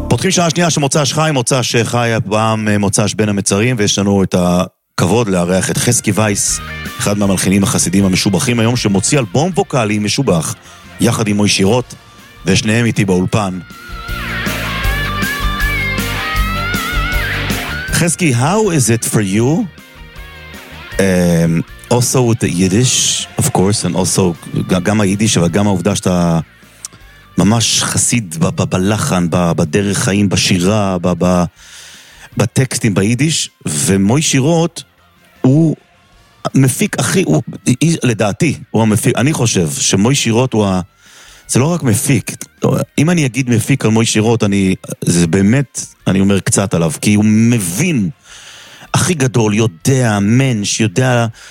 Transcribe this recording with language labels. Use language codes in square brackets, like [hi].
[he] שעה שנייה שמוצש חי, מוצש חי הפעם מוצש בין המצרים, ויש לנו את הכבוד לארח את חסקי וייס, אחד מהמלחינים החסידים המשובחים היום, שמוציא אלבום ווקלי משובח יחד עם מוישי רוט, ושניהם איתי באולפן. [en] חסקי, how is it for you also with the Yiddish of course, and also [he] גם היידיש וגם העובדה שאתה ממש חסיד בלחן, בדרך חיים, בשירה, בטקסטים ביידיש, ומוישי רוט הוא מפיק הכי, לדעתי, הוא המפיק, אני חושב שמוישי רוט הוא ה... זה לא רק מפיק, אם אני אגיד מפיק על מוישי רוט, זה באמת, אני אומר קצת עליו, כי הוא מבין הכי גדול, יודע, מנש, יודע...